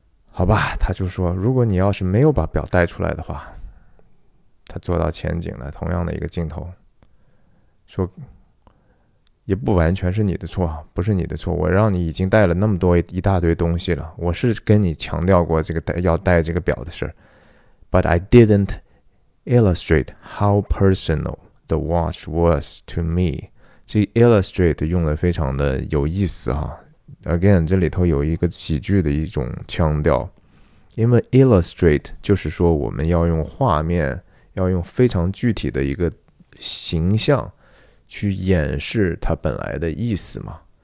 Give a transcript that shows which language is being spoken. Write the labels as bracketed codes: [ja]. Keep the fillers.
[zh] 好吧，他就说，如果你要是没有把表带出来的话，他做到前景了，同样的一个镜头，说也不完全是你的错，不是你的错，我让你已经带了那么多一一大堆东西了，我是跟你强调过这个带要带这个表的事儿， [en] But I didn't. Illustrate how personal the watch was to me。 [zh] 这 illustrate 用的非常的有意思哈。Again，这里头有一个喜剧的一种腔调，因为 illustrate 就是说我们要用画面，要用非常具体的一个形象去掩饰它本来的意思嘛。